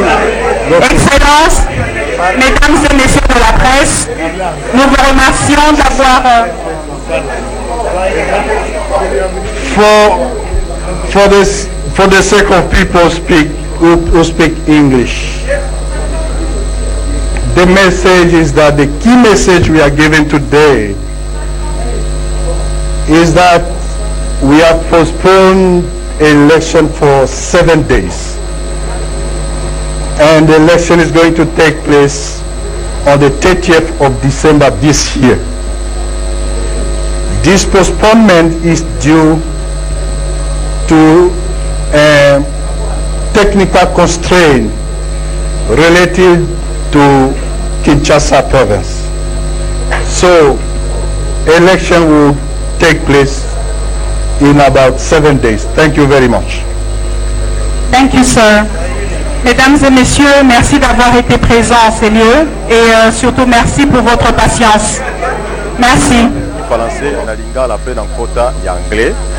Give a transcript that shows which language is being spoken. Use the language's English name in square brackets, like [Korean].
[French] Excellences, mesdames et messieurs de la presse, nous vous remercions d'avoir [English] for the sake of people who speak English. The message is that the key message we are giving today is that we have postponed election for 7 days and the election is going to take place on the 30th of December this year. This postponement is due to a technical constraint related to Kinshasa province. So election will take place in about 7 days. Thank you very much. Thank you, sir. [French] Mesdames et messieurs, merci d'avoir été présents à ces lieux et surtout merci pour votre patience. Merci. En français, on a l'inga la peine en quota et en anglais.